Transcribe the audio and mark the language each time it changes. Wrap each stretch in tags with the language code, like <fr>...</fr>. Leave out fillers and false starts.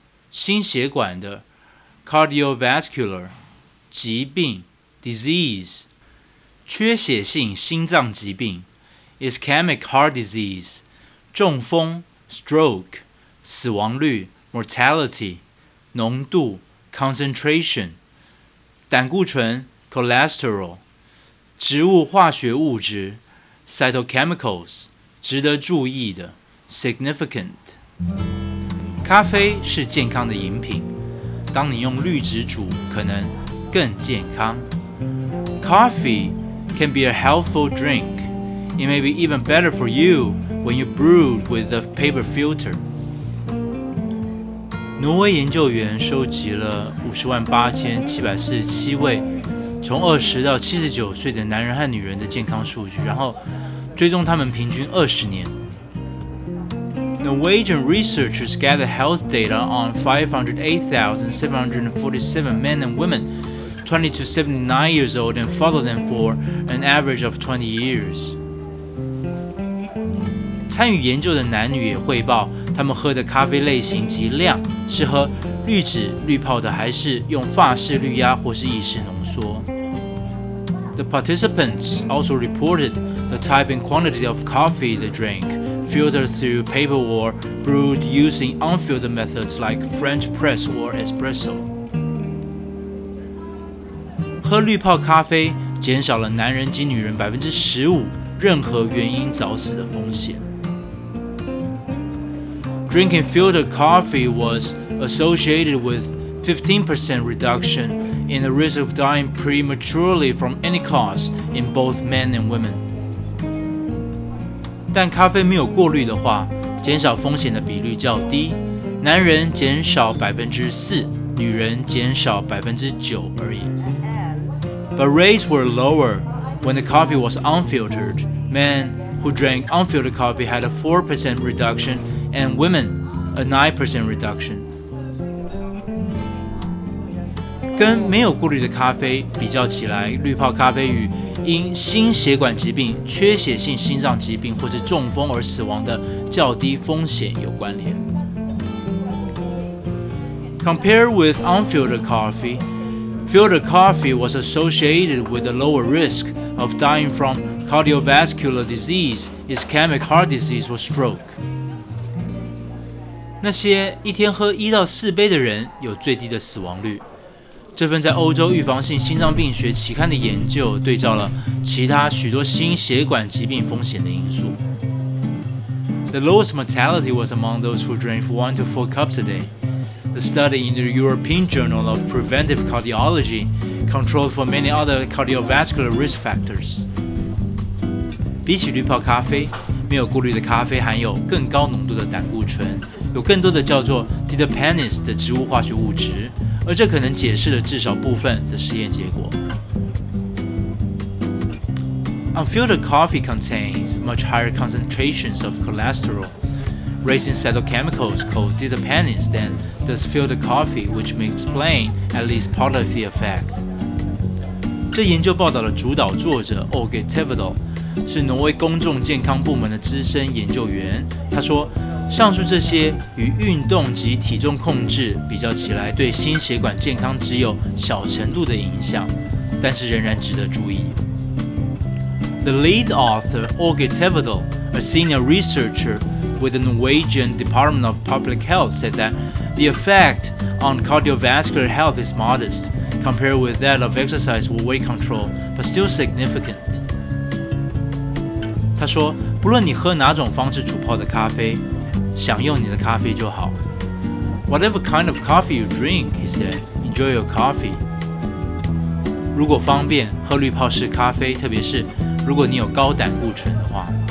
<en>心血管的 Cardiovascular,疾病 disease, 缺血性心脏疾病 ischemic heart disease, 中风 stroke, 死亡率 mortality, 浓度 concentration, 胆固醇 cholesterol, 植物化学物质 cytochemicals, 值得注意的 significant.</en> <zh>咖啡是健康的饮品，当你用滤纸煮，可能更健康。</zh> <en>Coffee can be a healthful drink. It may be even better for you when you brew with a paper filter.</en> <zh>挪威研究员收集了508,747位从20到79岁的男人和女人的健康数据，然后追踪他们平均20年。</zh> <en>Norwegian researchers gathered health data on 508,747 men and women 20 to 79 years old and follow them for an average of 20 years.</en> <zh>参与研究的男女也汇报他们喝的咖啡类型及量是喝滤纸滤泡的还是用法式滤压或是意式浓缩。</zh> <en>The participants also reported the type and quantity of coffee they drank, filtered through paper or brewed using unfiltered methods like French press or espresso.</en> <zh>喝滤泡咖啡减少了男人及女人 15% 任何原因早死的风险。</zh> <en>Drinking filtered coffee was associated with 15% reduction in the risk of dying prematurely from any cause in both men and women.</en> <zh>但咖啡没有过滤的话，减少风险的比率较低，男人减少 4%， 女人减少 9% 而已。</zh> <en>But rates were lower when the coffee was unfiltered. Men who drank unfiltered coffee had a 4% reduction and women a 9% reduction.</en> <zh>跟没有过滤的咖啡比较起来，滤泡咖啡与因心血管疾病、缺血性心脏疾病或是中风而死亡的较低风险有关联。</zh> <en>Compared with unfiltered coffee,Filtered coffee was associated with a lower risk of dying from cardiovascular disease, ischemic heart disease, or stroke.</en> <zh>那些一天喝一到四杯的人有最低的死亡率。这份在欧洲预防性心脏病学期刊的研究对照了其他许多心血管疾病风险的因素。</zh> <en>The lowest mortality was among those who drank 1 to 4 cups a day. The study in the European Journal of Preventive Cardiology controlled for many other cardiovascular risk factors.</en> <zh>比起滤泡咖啡，没有过滤的咖啡含有更高浓度的胆固醇，有更多的叫做 tryptophan 的植物化学物质，而这可能解释了至少部分的实验结果。</zh> <en>Unfiltered coffee contains much higher concentrations of cholesterol. Raising cytochemicals called tryptophan than does filtered coffee, which may explain at least part of the effect.</en> <zh>这研究报道的主导作者 Olga Tevedal 是挪威公众健康部门的资深研究员，他说上述这些与运动及体重控制比较起来，对心血管健康只有小程度的影响，但是仍然值得注意。</zh> <en>The lead author, Åge Tevedal, a senior researcher with the Norwegian Department of Public Health, said that the effect on cardiovascular health is modest compared with that of exercise or weight control, but still significant.</en> <zh>他说，不论你喝哪种方式煮泡的咖啡，享用你的咖啡就好。</zh> <en>Whatever kind of coffee you drink, he said, enjoy your coffee.</en> <zh>如果方便，喝滤泡式咖啡，特别是如果你有高胆固醇的话。</zh>